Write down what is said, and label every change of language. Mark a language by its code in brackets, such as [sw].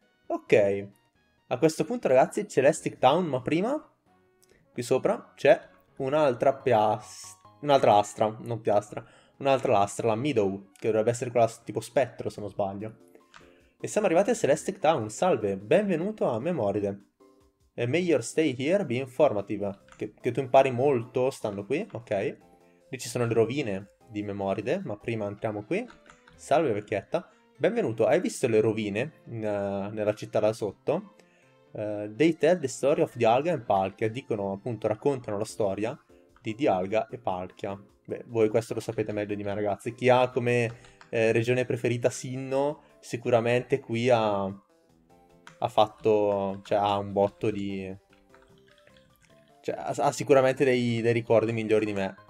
[it] Ok, a questo punto ragazzi, Celestic Town, ma prima, qui sopra, c'è un'altra piastra, un'altra lastra, non piastra, un'altra lastra, la Meadow, che dovrebbe essere quella tipo spettro, se non sbaglio. E siamo arrivati a Celestic Town, salve, benvenuto a Memoride. [en] May your stay here be informative. [it] Che tu impari molto stando qui, ok? Lì ci sono le rovine di Memoride, ma prima entriamo qui. Salve vecchietta. Benvenuto, hai visto le rovine nella città là sotto? [en] They tell the story of Dialga and Palkia. [it] Dicono, appunto, raccontano la storia di Dialga e Palkia. Beh, voi questo lo sapete meglio di me, ragazzi. Chi ha come Regione preferita Sinnoh, sicuramente qui ha fatto, cioè ha un botto di, cioè ha sicuramente dei ricordi migliori di me.